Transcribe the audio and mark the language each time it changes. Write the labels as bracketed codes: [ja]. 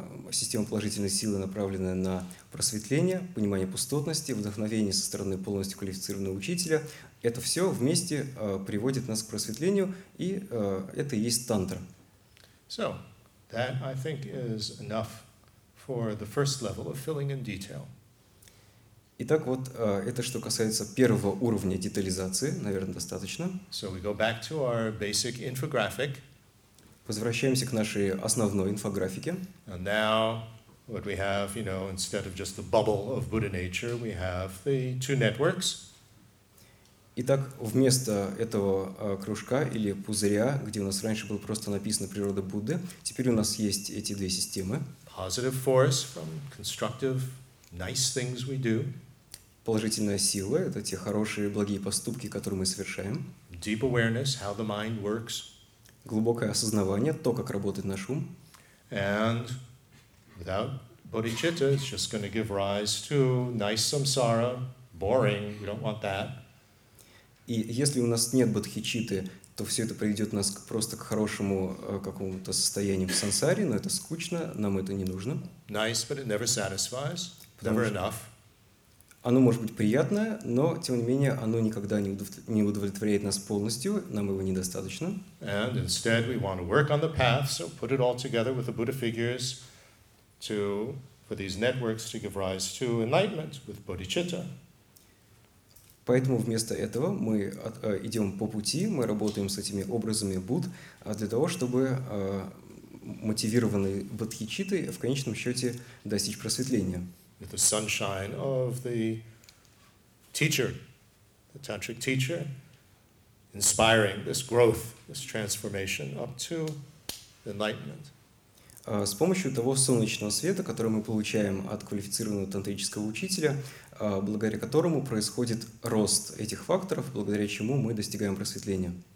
[ru] система положительной силы, направленная на просветление, понимание пустотности, вдохновение со стороны полностью квалифицированного учителя, это все вместе приводит нас к просветлению, и это и есть тантра. [en] So, that, I think, is enough for the first level of filling in detail. [ru] Итак, вот это что касается первого уровня детализации, наверное, достаточно. [en] So we go back to our basic infographic. [ru] Возвращаемся к нашей основной инфографике. [en] And now what we have, you know, instead of just the bubble of Buddha nature, we have the two networks. [ru] Итак, вместо этого кружка или пузыря, где у нас раньше было просто написано «Природа Будды», теперь у нас есть эти две системы. [en] Positive force from constructive nice things we do. [ru] Положительная сила — это те хорошие, благие поступки, которые мы совершаем. [en] Deep awareness, how the mind works. [ru] Глубокое осознавание — то, как работает наш ум. [en] And without bodhicitta, it's just going to give rise to nice samsara, boring, we don't want that. [ru] И если у нас нет бодхичитты, то все это приведет нас просто к хорошему какому-то состоянию в сансаре, но это скучно, нам это не нужно. [en] Nice, but it never satisfies, never enough. [ru] Оно может быть приятное, но, тем не менее, оно никогда не удовлетворяет нас полностью, нам его недостаточно. [en] And instead we want to work on the path, so put it all together with the Buddha figures to, for these networks to give rise to enlightenment with bodhicitta. [ru] Поэтому вместо этого мы идем по пути, мы работаем с этими образами Будд для того, чтобы мотивированные бодхичиттой в конечном счете достичь просветления. [en] With the sunshine of the teacher, the tantric teacher, inspiring this growth, this transformation up to enlightenment. [ru] С помощью того солнечного света, который мы получаем от квалифицированного тантрического учителя, благодаря которому происходит рост этих факторов, благодаря чему мы достигаем просветления.